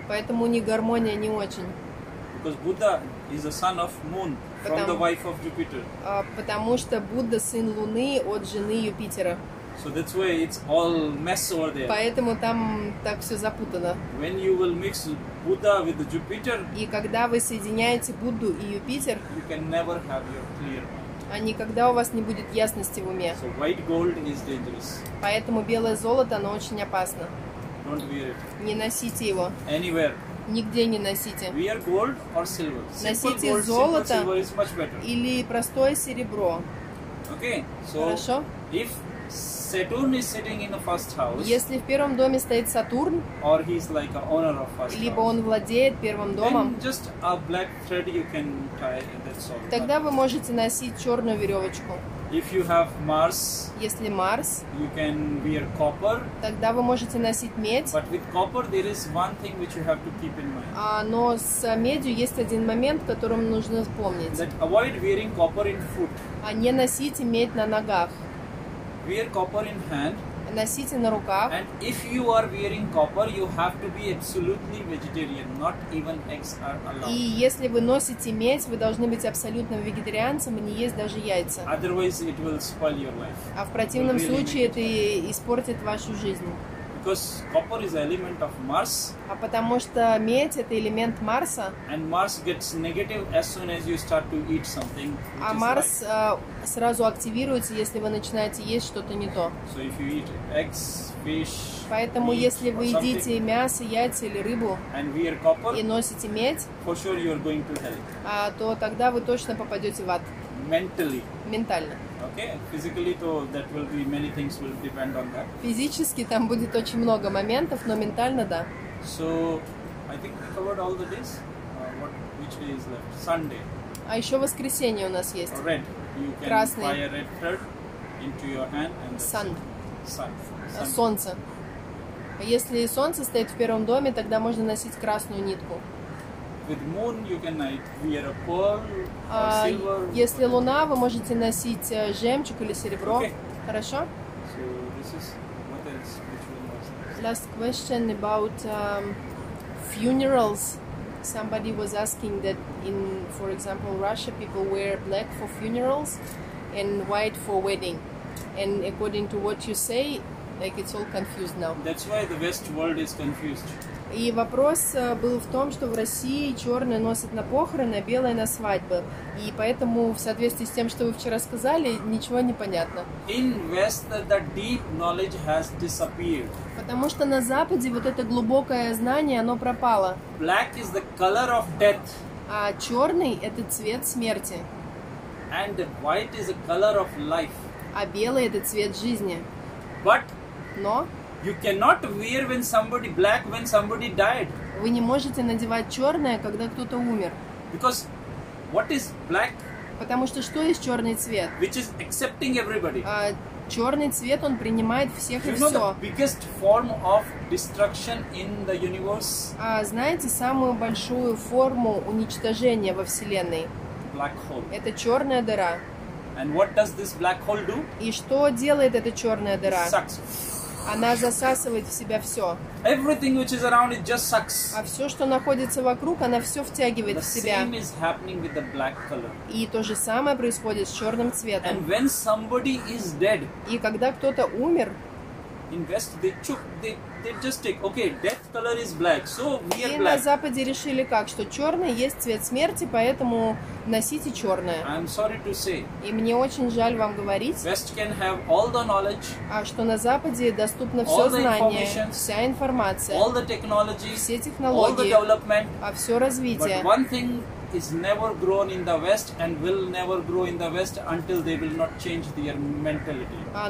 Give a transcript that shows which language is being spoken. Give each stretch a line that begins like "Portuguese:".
Russian: Поэтому не гармония не очень.
English: Because Buddha is a son of Moon. From the wife of Jupiter.
Russian: Потому что Будда сын Луны от жены Юпитера.
English: So that's why it's all mess over there.
Russian: Поэтому там так все запутано.
English: When you will mix Buddha with Jupiter.
Russian: И когда вы соединяете Будду и Юпитер.
English: You can never have your clear.
Russian: Никогда у вас не будет ясности в уме.
English: So white gold is dangerous.
Russian: Поэтому белое золото, оно очень опасно.
English: Don't wear it.
Russian: Не носите его.
English: Anywhere.
Russian: Нигде не носите.
English: Wear gold or silver. Simple
Russian: носите
English: gold,
Russian: золото
English: simple silver is much better.
Russian: Или простое серебро.
English: Okay, so
Russian: хорошо.
English: If Saturn is sitting in the first house,
Russian: если в первом доме стоит Сатурн,
English: or he's like a owner of first
Russian: либо
English: house,
Russian: он владеет первым домом,
English: then just a black thread you can tie in that sort.
Russian: Тогда вы можете носить черную веревочку.
English: If you have Mars,
Russian: если Марс,
English: you can wear copper.
Russian: Тогда вы можете носить медь.
English: But with copper there is one thing which you have to keep in mind.
Russian: Но с медью есть один момент, которым нужно вспомнить.
English: That avoid wearing copper in foot.
Russian: Не носите медь на ногах.
English: Wear copper in hand.
Russian: Носите на руках.
English: And if you are wearing copper, you have to be absolutely vegetarian. Not even eggs are allowed.
Russian: И если вы носите медь, вы должны быть абсолютным вегетарианцем и не есть даже яйца.
English: Otherwise, it will spoil your life.
Russian: А в противном случае это испортит вашу жизнь.
English: Because copper is an element of Mars.
Russian: А потому что медь это элемент Марса.
English: And Mars gets negative as soon as you start to eat something.
Russian: А Марс сразу активируется, если вы начинаете есть что-то не то.
English: So if you eat eggs, fish,
Russian: поэтому
English: meat,
Russian: если вы едите мясо, яйца или рыбу
English: and wear copper,
Russian: и носите медь,
English: for sure you are going to hell.
Russian: То тогда вы точно попадете в ад.
English: Mentally.
Russian: Ментально.
English: Okay, physically too, that will be many things will depend on that.
Russian: Физически там будет очень много моментов, но ментально да.
English: So, I think we covered all the days. Which day is left? Sunday.
Russian: А еще воскресенье у нас есть.
English: Red. You can
Russian: красный.
English: Fire red thread into your hand and sun. Sun.
Russian: Солнце. А если солнце стоит в первом доме, тогда можно носить красную нитку.
English: With moon you can wear a pearl or silver.
Russian: Если луна, вы можете носить жемчуг или серебро.
English: Okay.
Russian: Хорошо?
English: So this is what else which we must. last question about funerals. Somebody was asking that in, for example, Russia, people wear black for funerals and white for wedding. And according to what you say, like, it's all confused now. That's why the West world is confused.
Russian: И вопрос был в том, что в России черные носят на похороны, а белые на свадьбы. И поэтому, в соответствии с тем, что вы вчера сказали, ничего не понятно.
English: In West, the deep knowledge has disappeared.
Russian: Потому что на Западе вот это глубокое знание, оно пропало.
English: Black is the color of death.
Russian: А черный – это цвет смерти.
English: And white is the color of life.
Russian: А белый – это цвет жизни.
English: But...
Russian: Но...
English: You cannot wear when somebody black when somebody died.
Russian: Вы не можете надевать черное, когда кто-то умер.
English: Because what is black?
Russian: Потому что есть черный цвет?
English: Which is accepting everybody.
Russian: Черный цвет, он принимает всех
English: you
Russian: и все.
English: You know the biggest form of destruction in the universe?
Russian: Знаете самую большую форму уничтожения во Вселенной?
English: Black hole.
Russian: Это черная дыра.
English: And what does this black hole do?
Russian: И что делает эта черная дыра?
English: It sucks.
Russian: Она засасывает в себя все.
English: Everything which is around it just sucks.
Russian: А все, что находится вокруг, она все втягивает
English: the
Russian: в себя.
English: Same is happening with the black color.
Russian: И то же самое происходит с черным цветом.
English: And when somebody is dead,
Russian: и когда кто-то умер,
English: in West they just take, okay, death color is black, so we are
Russian: и
English: black.
Russian: На Западе решили как, что черный есть цвет смерти, поэтому носите черное.
English: I'm sorry to say,
Russian: и мне очень жаль вам говорить,
English: West can have all the knowledge,
Russian: а что на Западе доступно все знание, вся информация,
English: all the technology,
Russian: все технологии,
English: all the development,
Russian: а все развитие.
English: But one thing is never grown in the West and will never grow in the West until they will not change their mentality.